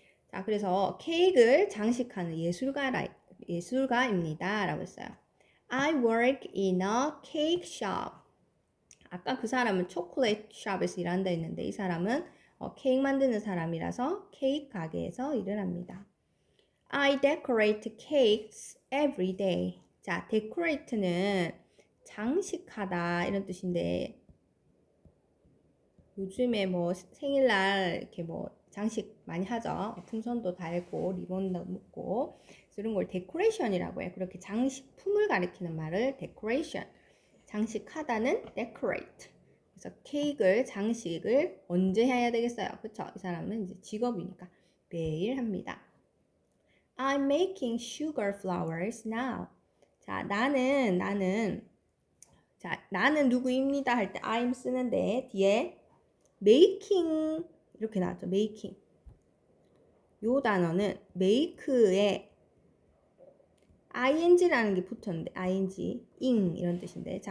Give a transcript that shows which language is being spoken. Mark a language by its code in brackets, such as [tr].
[ko] 자, 그래서 케이크를 장식하는 예술가입니다라고 했어요. [en] I work in a cake shop. [ko] 아까 그 사람은 초콜릿 샵에서 일한다 했는데 이 사람은 케이크 만드는 사람이라서 케이크 가게에서 일을 합니다. [en] I decorate cakes every day. [ko] 자, decorate는 장식하다 이런 뜻인데 요즘에 뭐 생일날 이렇게 뭐 장식 많이 하죠. 풍선도 달고 리본도 묶고 이런 걸 데코레이션이라고 해요. 그렇게 장식품을 가리키는 말을 데코레이션. 장식하다는 decorate. 그래서 케이크를 장식을 언제 해야 되겠어요? 그렇죠? 이 사람은 이제 직업이니까 매일 합니다. [en] I'm making sugar flowers now. [ko] 자, 나는 누구입니다 할때 I'm 쓰는데 뒤에 making 이렇게 나왔죠. [en] making. [ko] 요 단어는 make에 ing라는 게 붙었는데 ing, ing 이런 뜻인데.